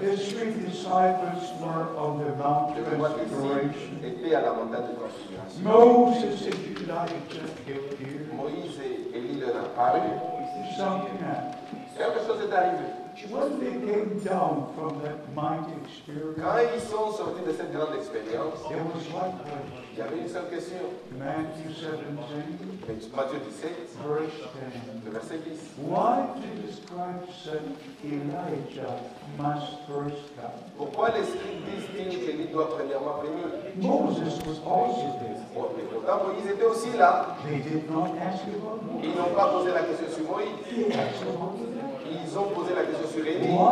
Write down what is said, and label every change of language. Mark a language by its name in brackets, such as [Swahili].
[English] The three disciples were on the Mount of Transfiguration. [French] Étaient à la montagne de Transfiguration. [English] Moses and Elijah appeared. [French] Moïse et Élie leur apparurent. [English] Something happened. [French] Quelque chose est arrivé. [English] When they came down from that mighty experience, [French] quand ils sont sortis de cette grande expérience, [English] there was one question. [French] Il y avait une seule question. [English] Matthew 17, [French] Matthieu 17, [English] verse 10. [French] Le verset 10. [English] Why did the scribes say Elijah must first come? [French] Pourquoi les scribes disent-ils qu'Élie doit premièrement venir? [English] Moses was also there. [French] Pourtant, Moïse était aussi là. [English] They did not ask about Moses. [French] Ils n'ont pas posé la question sur Moïse. Ils ont posé la question sur Élie.